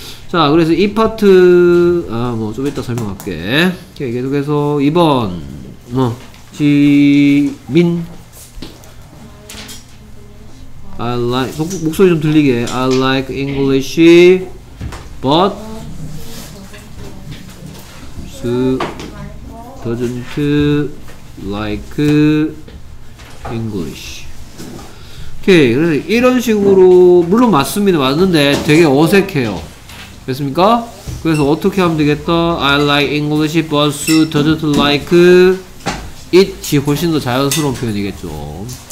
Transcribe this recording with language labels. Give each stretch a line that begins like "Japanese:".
Korean: 자, 그래서 이 파트, 아, 뭐, 좀 이따 설명할게. 오케이, 계속해서 2번, 뭐, 지민.
English: I like,
Korean: 목소리 좀 들리게.
English: I like English, but Su doesn't like English.
Korean: 오케이, 그래서 이런 식으로, 물론 맞습니다. 맞는데 되게 어색해요. 됐습니까? 그래서 어떻게 하면 되겠다?
English: I like English, but Sue doesn't like it이
Korean: 훨씬 더 자연스러운 표현이겠죠.